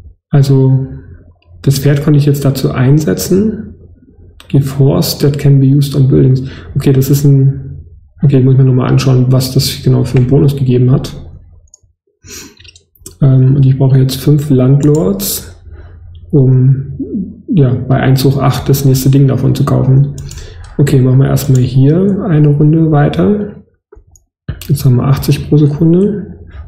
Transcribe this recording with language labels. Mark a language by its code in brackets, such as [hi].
[de] Also das Pferd konnte ich jetzt dazu einsetzen. [en] Give horse that can be used on buildings. [de] Okay, das ist ein. Okay, muss ich mir nochmal anschauen, was das genau für einen Bonus gegeben hat. Und ich brauche jetzt 5 Landlords, um ja bei 1 hoch 8 das nächste Ding davon zu kaufen. Okay, machen wir erstmal hier eine Runde weiter. Jetzt haben wir 80 pro Sekunde.